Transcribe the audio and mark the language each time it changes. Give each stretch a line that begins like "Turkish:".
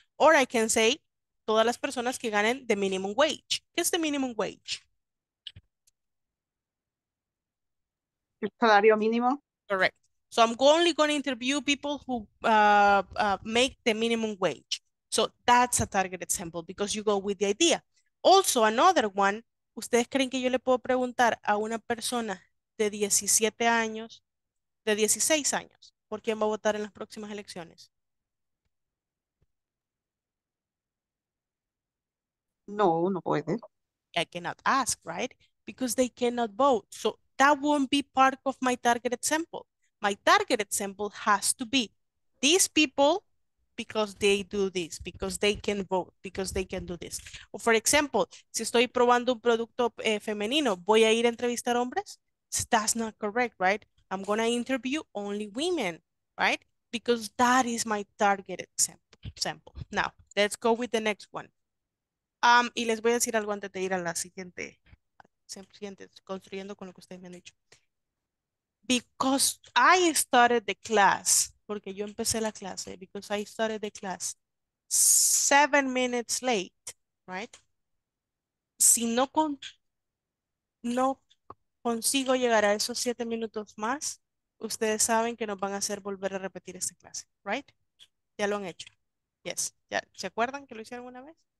English: Or I can say,
Spanish: todas las personas que ganen
English: the minimum wage. What's the minimum wage?
Spanish: El salario mínimo.
English: Correct. So I'm only gonna interview people who make the minimum wage. So that's a targeted sample because you go with the idea. Also, another one,
Spanish: ¿ustedes creen que yo le puedo preguntar a una persona de 17 años, de 16 años, por quién va a votar en las próximas elecciones? No, no puede.
English: I cannot ask, right? Because they cannot vote. So that won't be part of my targeted sample. My targeted sample has to be these people, because they do this, because they can vote, because they can do this. For example,
Spanish: si estoy probando un producto femenino, ¿voy a ir a entrevistar hombres?
English: That's not correct, right? I'm gonna interview only women, right? Because that is my targeted sample. Now, let's go with the next one.
Spanish: Y les voy a decir algo antes de ir a la siguiente, construyendo con lo que ustedes me han dicho.
English: Because I started the class,
Spanish: porque yo empecé la clase,
English: because I started the class 7 minutes late, right?
Spanish: Si no, no consigo llegar a esos 7 minutos más, ustedes saben que nos van a hacer volver a repetir esta clase, right? Ya lo han hecho. Yes. Ya, ¿se acuerdan que lo hicieron una vez?